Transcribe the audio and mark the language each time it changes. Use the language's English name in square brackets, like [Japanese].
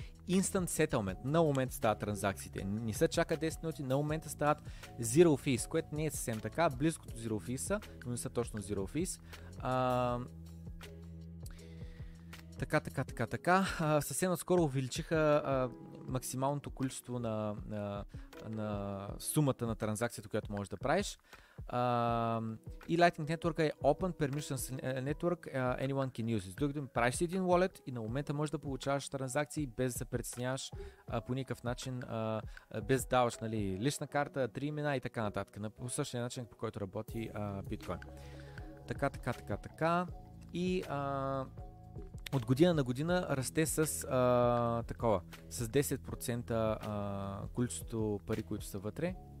[Bulgarian] Instant settlement, на момента стават транзакциите. Не се чака 10 минути, на момента стават zero fees, което не е съвсем така, близкото zero fees са, но не са точно zero fees. Така. Съвсем скоро увеличиха максималното количество на сумата на транзакцията, която можеш да правиш. [English] И Lightning Network е Open Permissions Network, anyone can use it. [Bulgarian] Другим, правиш един wallet и на момента можеш да получаваш транзакции без да се притесняваш по никакъв начин, без да даваш, нали, лична карта, три имена и така нататък. На по същия начин, по който работи Bitcoin. Така. И от година на година расте с такова, с 10% количеството пари, които са вътре.